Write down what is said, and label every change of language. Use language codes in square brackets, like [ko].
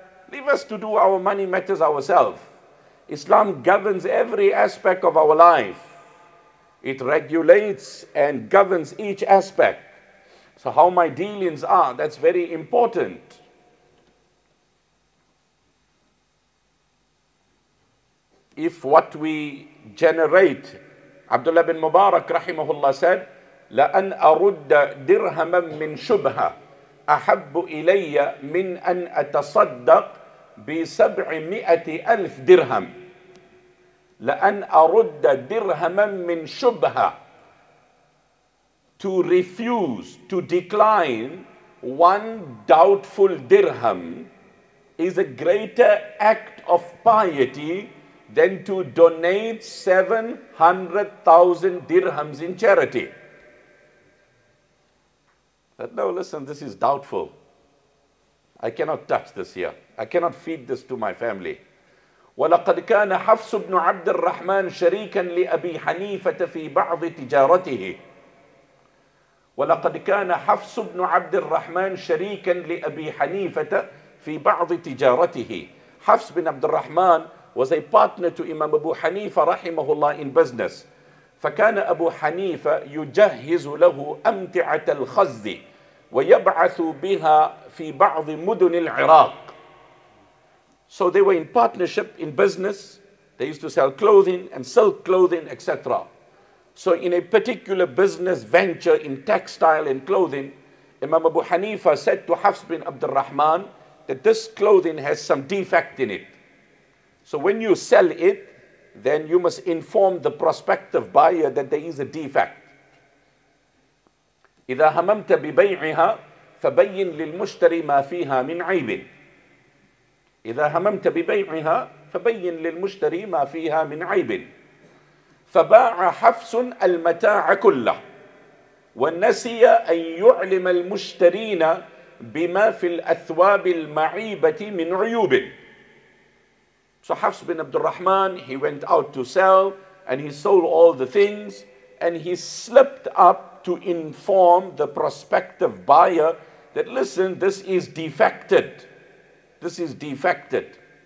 [en] Leave us to do our money matters ourselves. Islam governs every aspect of our life. It regulates and governs each aspect. So how my dealings are, that's very important. If what we generate, Abdullah bin Mubarak rahimahullah said, [ar] لَأَنْ أَرُدَّ دِرْهَمًا مِّن شُبْهَ أَحَبُّ إِلَيَّ مِّنْ أَنْ أَتَصَدَّقْ بِسَبْعِ مِئَةِ أَلْفِ دِرْهَمْ. لَأَنْ أَرُدَّ دِرْهَمًا مِّن شُبْهَ. [en] To refuse, to decline one doubtful dirham is a greater act of piety than to donate 700,000 dirhams in charity. But no, listen, this is doubtful. I cannot touch this here. I cannot feed this to my family. [ar] ولقد كان حفص بن عبد الرحمن شريكا لأبي حنيفة في بعض تجارته ولقد كان حفص بن عبد الرحمن شريكا لأبي حنيفة في بعض تجارته. [en] حفص بن عبد الرحمن was a partner to Imam Abu Hanifa رحمه الله in business. [ar] فكان أبو حنيفة يجهز له أمتعة الخز ويبعث بها في بعض مدن العراق. [en] So they were in partnership in business. They used to sell clothing and silk clothing, etc. So in a particular business venture in textile and clothing, Imam Abu Hanifa said to Hafs bin Abdul Rahman that this clothing has some defect in it. So when you sell it, then you must inform the prospective buyer that there is a defect. [ar] إِذَا هَمَمْتَ بِبَيْعِهَا فَبَيِّنْ لِلْمُشْتَرِ مَا فِيهَا مِنْ عَيْبٍ إِذَا هَمَمْتَ بِبَيْعِهَا فَبَيِّنْ لِلْمُشْتَرِ مَا فِيهَا مِنْ عَيْبٍ فباع حفص المتاع كله ونسي أن يعلم المشترين بما في الأثواب المعيبة من عيوب. [en] So Hafs bin Abdul Rahman, he went out to sell and he sold all the things and he slipped up to inform the prospective buyer that listen, this is defected. This is defected.